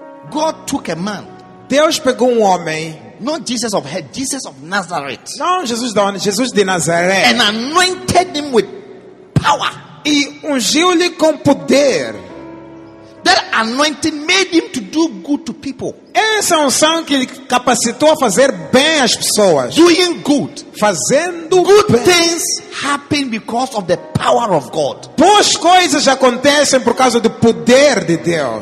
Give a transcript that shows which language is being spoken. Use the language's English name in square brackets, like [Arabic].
[English] God took a man. [Portuguese] Deus pegou um homem. [English] Not Jesus of head, Jesus of Nazareth. [Portuguese] Não Jesus da onde? Jesus de Nazaré. [English] And anointed him with power. [Portuguese] E ungiu-lhe com poder. [English] That anointing made him to do good to people. [Portuguese] Essa unção que capacitou a fazer bem às pessoas. [English] Doing good. [Portuguese] Fazendo [English] good [Portuguese] bem. [English] Things happen because of the power of God. [Portuguese] Boas coisas acontecem por causa do poder de Deus.